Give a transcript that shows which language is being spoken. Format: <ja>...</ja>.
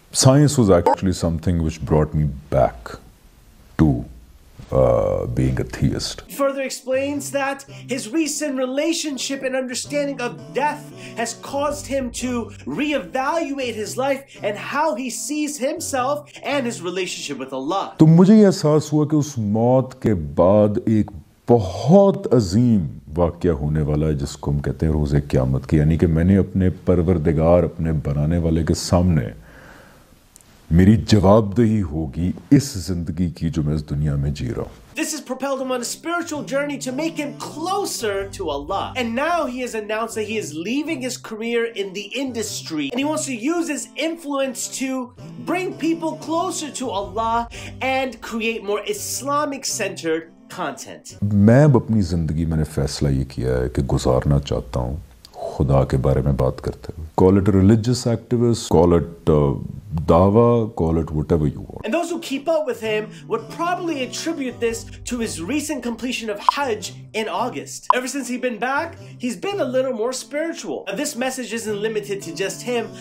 <en>Science was actually something which brought me back to being a theist. He further explains that his recent relationship and understanding of death has caused him to reevaluate his life and how he sees himself and his relationship with Allah.</en> <hi>तो मुझे ये एहसास हुआ कि उस मौत के बाद एक बहुत अजीम वाक्या होने वाला है जिसको हम कहते हैं रोज़े क़यामत की, यानी कि मैंने अपने परवरदिगार, अपने बनाने वाले के सामने मेरी जवाबदेही होगी इस जिंदगी की जो मैं इस दुनिया में जी रहा हूं.</hi> <en>This has propelled him on a spiritual journey to make him closer to Allah. And now he has announced that he is leaving his career in the industry and he wants to use his influence to bring people closer to Allah and create more Islamic centered content.</en> <hi>मैं अब अपनी जिंदगी मैंने फैसला ये किया है कि गुजारना चाहता हूं खुदा के बारे में बात करते हुए.</hi> <en>Call it a religious activist, call it dawah, call it whatever you want. And those who keep up with him would probably attribute this to his recent completion of Hajj in August. Ever since he's been back, he's been a little more spiritual. Now, this message isn't limited to just him.</en>